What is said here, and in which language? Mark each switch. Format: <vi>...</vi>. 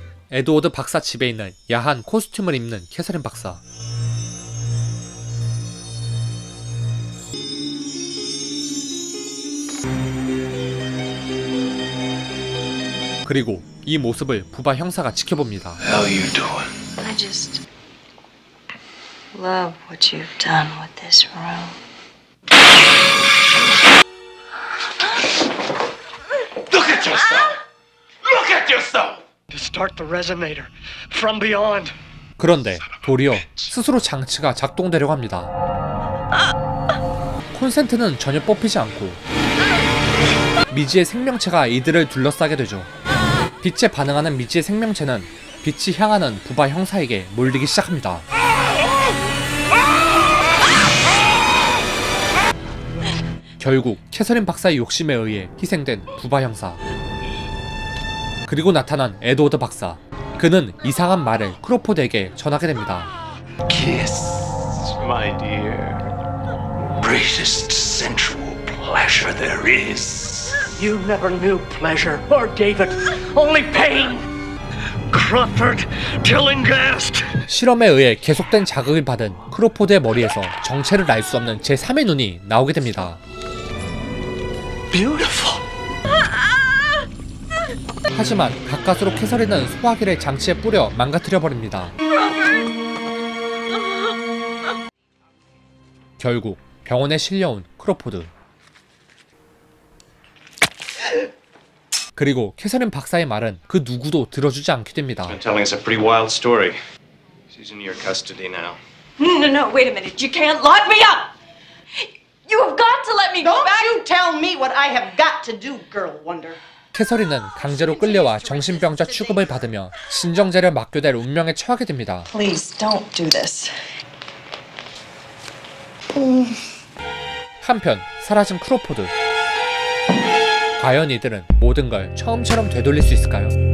<ko>에드워드 박사 집에 있는 야한 코스튬을 입는 캐서린 박사. 그리고 이 모습을 부바 형사가 지켜봅니다.</ko> <en>How are you doing? I just love what you've done with this room. Look at yourself! Look at yourself! To start the resonator from beyond.</en> <ko>그런데 도리어 스스로 장치가 작동되려고 합니다. 콘센트는 전혀 뽑히지 않고 미지의 생명체가 이들을 둘러싸게 되죠. 빛에 반응하는 미지의 생명체는 빛이 향하는 부바 형사에게 몰리기 시작합니다. 결국 캐서린 박사의 욕심에 의해 희생된 부바 형사. 그리고 나타난 에드워드 박사. 그는 이상한 말을 크로포드에게 전하게 됩니다.</ko> <en>Kiss, my dear. Greatest sensual pleasure there is. You never knew pleasure or David, only pain. Crawford Tillinghast.</en> <ko>실험에 의해 계속된 자극을 받은 크로포드의 머리에서 정체를 알 수 없는 제3의 눈이 나오게 됩니다.</ko> <en>Beautiful.</en> <ko>하지만 가까스로 캐서린은 소화기를 장치에 뿌려 망가뜨려버립니다. 결국 병원에 실려온 크로포드. 그리고 캐서린 박사의 말은 그 누구도 들어주지 않게 됩니다.</ko> <en>I'm telling us a pretty wild story. She's in your custody now. No, no, wait a minute. You can't lock me up! You have got to let me go back! Don't you tell me what I have got to do, girl wonder.</en> <ko>캐서린은 강제로 끌려와 정신병자 취급을 받으며 진정제를 맞게 될 운명에 처하게 됩니다.</ko> <en>Please don't do this.</en> <ko>한편 사라진 크로포드. 과연 이들은 모든 걸 처음처럼 되돌릴 수 있을까요?</ko>